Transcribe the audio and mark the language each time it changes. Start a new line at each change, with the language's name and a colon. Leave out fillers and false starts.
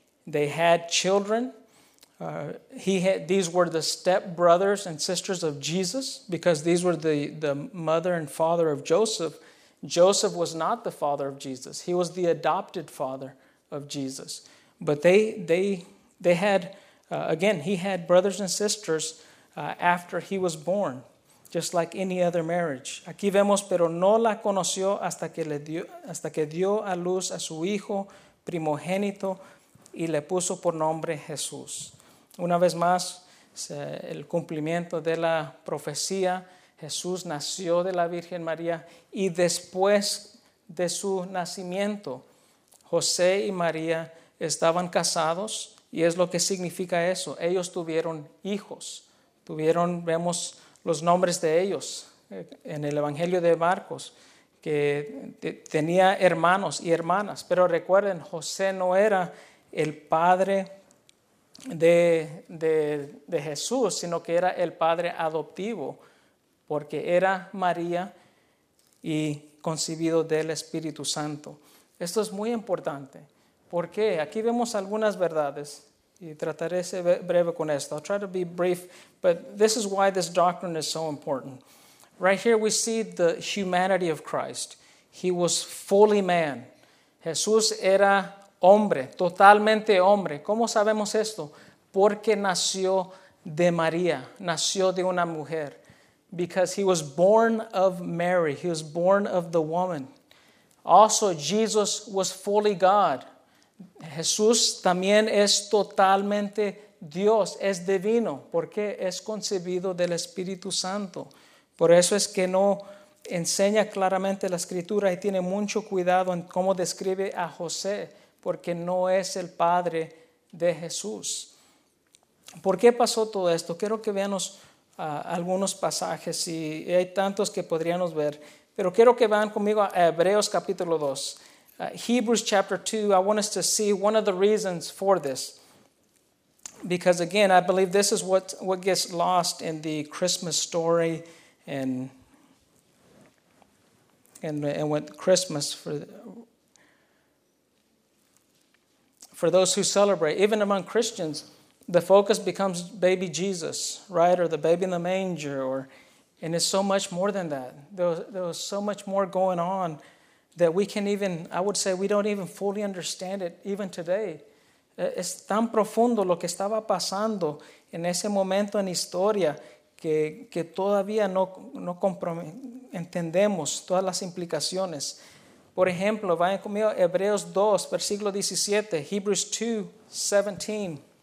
English: They had children. These were the stepbrothers and sisters of Jesus because these were the mother and father of Joseph. Joseph was not the father of Jesus. He was the adopted father of Jesus. But they had, again, he had brothers and sisters after he was born, just like any other marriage.
Spanish: Aquí vemos, pero no la conoció hasta que dio a luz a su hijo primogénito y le puso por nombre Jesús. Una vez más, el cumplimiento de la profecía, Jesús nació de la Virgen María y después de su nacimiento, José y María estaban casados y es lo que significa eso. Ellos tuvieron hijos. Tuvieron, vemos los nombres de ellos en el Evangelio de Marcos, que tenía hermanos y hermanas. Pero recuerden, José no era el padre de Jesús, sino que era el padre adoptivo, porque era María y concebido del Espíritu Santo. Esto es muy importante, porque aquí vemos algunas verdades. Y trataré de ser breve con esto.
English: I'll try to be brief, but this is why this doctrine is so important. Right here we see the humanity of Christ. He was fully man.
Spanish: Jesús era hombre, totalmente hombre. ¿Cómo sabemos esto? Porque nació de María, nació de una mujer.
English: Because he was born of Mary, he was born of the woman. Also, Jesus was fully God.
Spanish: Jesús también es totalmente Dios es divino, porque es concebido del Espíritu Santo. Por eso es que no enseña claramente la Escritura y tiene mucho cuidado en cómo describe a José, porque no es el padre de Jesús. ¿Por qué pasó todo esto? Quiero que veamos algunos pasajes, y hay tantos que podríamos ver, pero quiero que vayan conmigo a Hebreos capítulo 2.
English: Hebrews chapter 2, I want us to see one of the reasons for this. Because again, I believe this is what gets lost in the Christmas story and with Christmas for those who celebrate. Even among Christians, the focus becomes baby Jesus, right? Or the baby in the manger. And it's so much more than that. There was so much more going on that we don't even fully understand it even today.
Spanish: Es tan profundo lo que estaba pasando en ese momento en historia que todavía no entendemos todas las implicaciones. Por ejemplo, vayan conmigo a Hebreos 2, versículo 17,
English: Hebrews 2, 17.